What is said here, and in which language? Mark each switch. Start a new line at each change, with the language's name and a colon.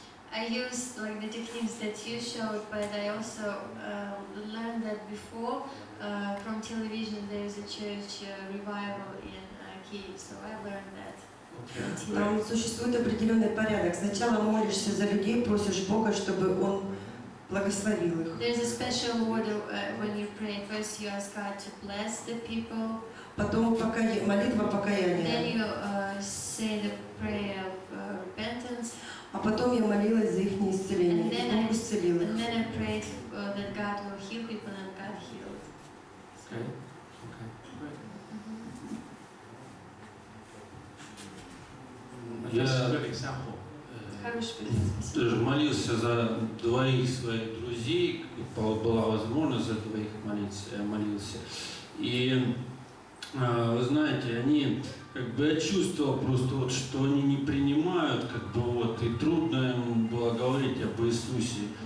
English: I used like the techniques that you showed, but I also learned that before from television there is a church revival in Kyiv, so I learned that.
Russian: Там существует определенный порядок. Сначала молишься за людей, просишь Бога, чтобы Он благословил их.
English: There's a special order when you pray. First you ask God to bless the people.
Russian: Потом молитва покаяния.
English: Then you say the prayer of repentance.
Russian: А потом я молилась за их исцеление.
English: And
Russian: Бог исцелил их.
English: Then I prayed that God will heal people, and God healed. Okay.
Russian: Я же молился за двоих своих друзей, была возможность за двоих молиться. И вы знаете, они как бы я чувствовал просто вот, что они не принимают, как бы вот, и трудно им было говорить об Иисусе.